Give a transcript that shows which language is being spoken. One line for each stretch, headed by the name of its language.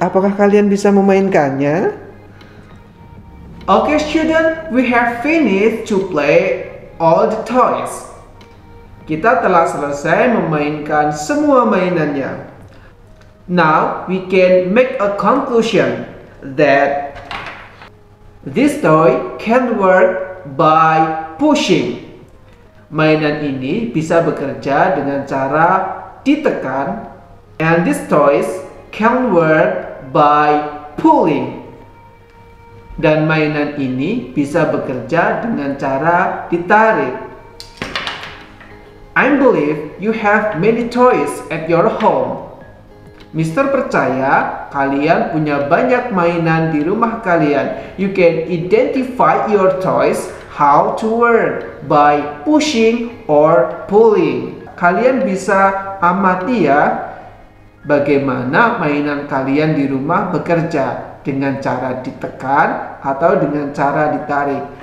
Indonesian: Apakah kalian bisa memainkannya?
English: Okay, student, we have finished to play all the toys.
Indonesian: Kita telah selesai memainkan semua mainannya.
English: Now, we can make a conclusion that this toy can work by pushing.
Indonesian: Mainan ini bisa bekerja dengan cara ditekan.
English: And this toys can work by pulling.
Indonesian: Dan mainan ini bisa bekerja dengan cara ditarik.
English: I believe you have many toys at your home.
Indonesian: Mister percaya kalian punya banyak mainan di rumah kalian.
English: You can identify your toys how to work by pushing or pulling.
Indonesian: Kalian bisa amati ya bagaimana mainan kalian di rumah bekerja dengan cara ditekan atau dengan cara ditarik.